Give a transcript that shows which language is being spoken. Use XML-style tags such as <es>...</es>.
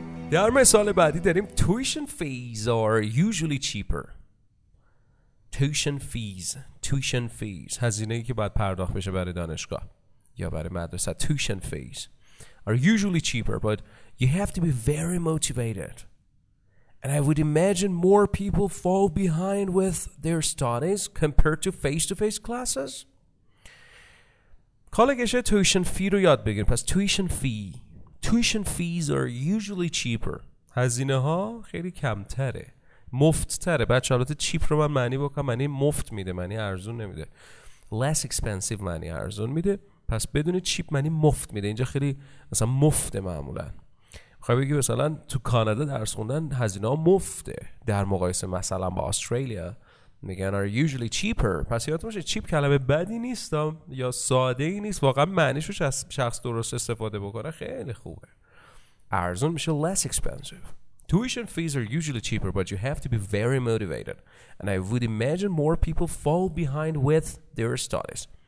<en>در مثال بعدی داریم tuition fees are usually cheaper.</en> <fa>Tuition fees هزینه‌ای که باید پرداخت بشه برای دانشگاه یا برای مدرسه.</fa> <en>Tuition fees are usually cheaper but you have to be very motivated. And I would imagine more people fall behind with their studies compared to face-to-face classes.</en> <fa>کالجشه tuition fee رو یاد بگیر. پس Tuition fees are usually cheaper. هزینه ها خیلی کمتره، مفت تره. بچه حالات چیپ رو من معنی بکنم، معنی مفت میده، معنی ارزون نمیده. Less expensive معنی ارزون میده، پس بدون چیپ معنی مفت میده. اینجا خیلی مثلا مفته، معمولا میخوای بگی مثلا تو کانادا درس خوندن هزینه ها مفته در مقایسه مثلا با استرالیا.</fa> <en>میگن are usually cheaper.</en> <fa>پس یادتون باشه چیپ کلمه بدی نیست یا ساده ای نیست، واقعا معنیش رو شخص درست استفاده بکنه خیلی خوبه. ارزون میشه less expensive.</fa> <en>Tuition fees are usually cheaper but you have to be very motivated and I would imagine more people fall behind with their studies.</en>